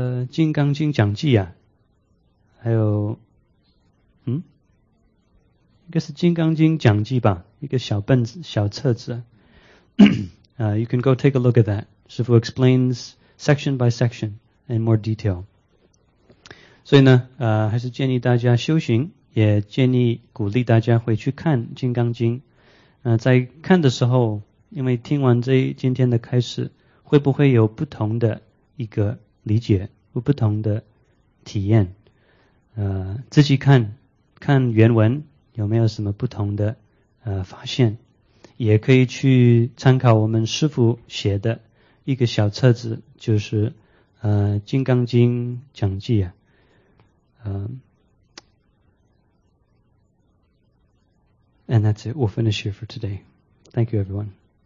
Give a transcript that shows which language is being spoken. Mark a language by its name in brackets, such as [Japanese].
[Chinese] 金刚经讲记啊，还有，一个是金刚经讲记吧，一个小本子小册子。 [English] you can go take a look at that. 师父 explains section by section in more detail. [Chinese] 所以呢，还是建议大家修行，也建议鼓励大家回去看金刚经。在看的时候，因为听完这今天的开始，会不会有不同的一个理解或不同的体验？自己看看原文有没有什么不同的发现，也可以去参考我们师父写的一个小册子，就是《金刚经讲记》啊。 [English] And that's it. We'll finish here for today. Thank you, everyone.